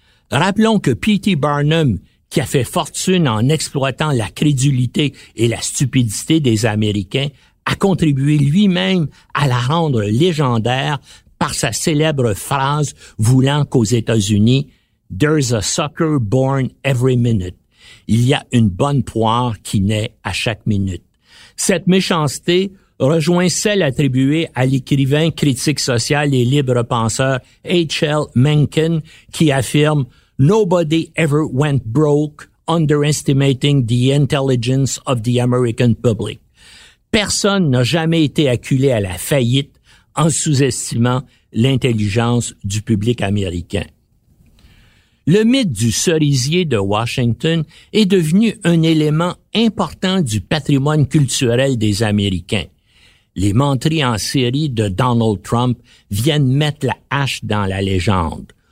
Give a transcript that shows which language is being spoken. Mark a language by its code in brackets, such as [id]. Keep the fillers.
[fr] Rappelons que P.T. Barnum, qui a fait fortune en exploitant la crédulité et la stupidité des Américains, a contribué lui-même à la rendre légendaire par sa célèbre phrase voulant qu'aux États-Unis, [en] There's a sucker born every minute. [fr] Il y a une bonne poire qui naît à chaque minute. Cette méchanceté, rejoint celle attribuée à l'écrivain critique social et libre penseur H.L. Mencken qui affirme [en] Nobody ever went broke underestimating the intelligence of the American public. [fr] Personne n'a jamais été acculé à la faillite en sous-estimant l'intelligence du public américain. Le mythe du cerisier de Washington est devenu un élément important du patrimoine culturel des Américains les mentries en série de Donald Trump viennent mettre la hache dans la légende.